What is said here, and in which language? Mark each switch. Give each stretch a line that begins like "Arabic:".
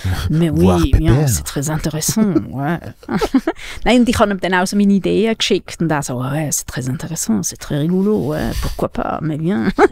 French: Mais oui, c'est très intéressant.
German: Nein, und ich habe ihm dann auch so meine Ideen geschickt. Und er so,
French: c'est très intéressant, c'est très rigolo, pourquoi pas, mais bien.